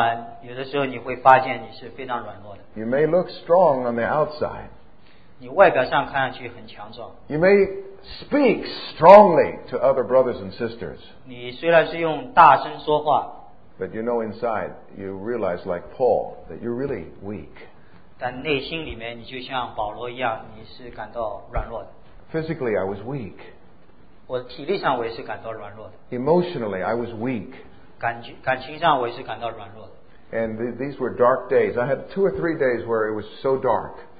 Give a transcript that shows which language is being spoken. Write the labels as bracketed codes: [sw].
[zh] 如果你为主去做工作的话，有的时候你会发现你是非常软弱的。 [en] You may look strong on the outside. [zh] 你外表上看上去很强壮。 [en] You may speak strongly to other brothers and sisters. [zh] 你虽然是用大声说话。 [en] But you know inside, you realize like Paul, that you're really weak. [zh] 但内心里面你就像保罗一样，你是感到软弱的。 [en] Physically, I was weak. [zh] 我体力上我也是感到软弱的。 [en] Emotionally, I was weak. [zh] 感情上我也是感到软弱的。 [en] And these were dark days. I had 2 or 3 days where it was so dark.